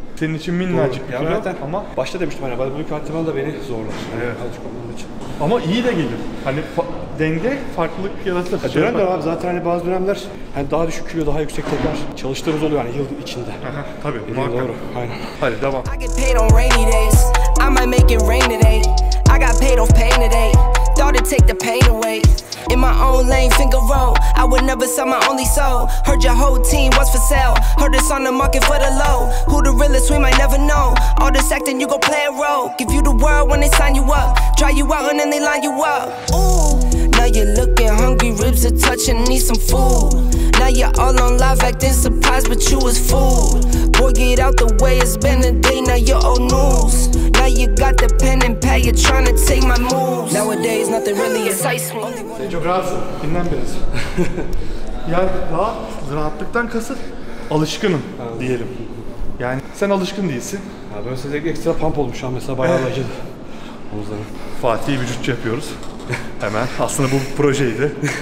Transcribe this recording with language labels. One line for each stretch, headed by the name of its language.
Turkish: Senin için minnacık bir kilo ama. Başta demiştim hani bodybuilding antrenmanı da beni zorlar. Evet. Ama iyi de gelir. Hani denge farklılık yaratır. Ya dönem de var. Zaten hani bazı dönemler hani daha düşük kilo daha yüksek tekrar çalıştığımız oluyor hani yıl içinde. Aha, tabii. Yani doğru. Aynen. Hadi devam.
English: I get paid on rainy days. I might make it rain today. I got paid off pain today. Thought it'd take the pain away. In my own lane, finger roll. I would never sell my only soul. Heard your whole team was for sale. Heard it's on the market for the low. Who the realest we might never know. All this acting, you gon' play a role. Give you the world when they sign you up. Try you out and then they line you up. Ooh. Now you're looking hungry, ribs are touching, need some food. Now you're all on live acting, surprised, but you was fooled. Boy, get out the way, it's been a day, now you're old news. Now you got the pen and pad, you're trying to take my moves. Nowadays, nothing really excites me.
Turkish: Sen çok rahatsın, dinlen biraz. Yani daha rahatlıktan kasıt, alışkınım diyelim. Yani sen alışkın değilsin. Ya ben size ekstra pump olmuş an mesela, bayağı acıdı. Fatih'i vücutçu yapıyoruz. Hemen. Aslında bu projeydi.